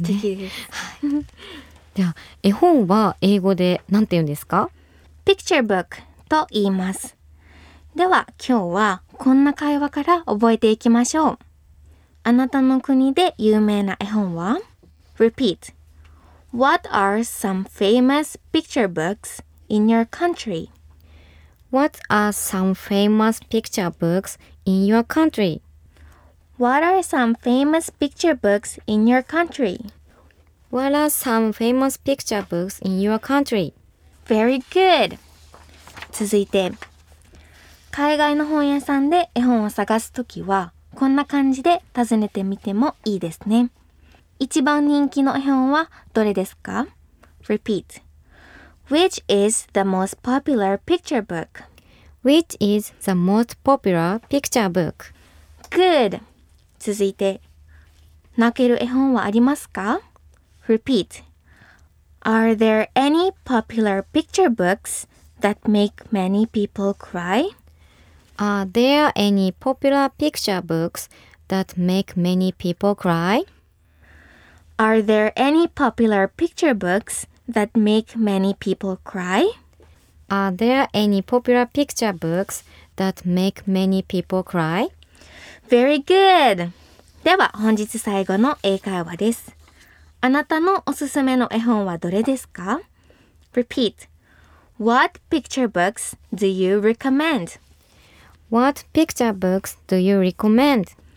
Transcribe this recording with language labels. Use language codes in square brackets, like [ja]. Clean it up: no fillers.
[ja] はい、素敵です、はい、じゃあ絵本は英語でなんて言うんですか？ [en] picture book [ja] と言います。では今日はこんな会話から覚えていきましょう。あなたの国で有名な絵本は？ [en] Repeat. What are some famous picture books in your country? What are some famous picture books in your country? What are some famous picture books in your country? What are some famous picture books in your country? Very good. [ja] 続いて、海外の本屋さんで絵本を探すときはこんな感じで尋ねてみてもいいですね。一番人気の絵本はどれですか? [en] Repeat. Which is the most popular picture book? Which is the most popular picture book? Good. [ja] 続いて、泣ける絵本はありますか? [en] Repeat. Are there any popular picture books that make many people cry? Are there any popular picture books that make many people cry? Are there any popular picture books that make many people cry? Are there any popular picture books that make many people cry? Very good! [ja] では本日最後の英会話です。あなたのおすすめの絵本はどれですか? [en] Repeat. What picture books do you recommend? What picture books do you recommend?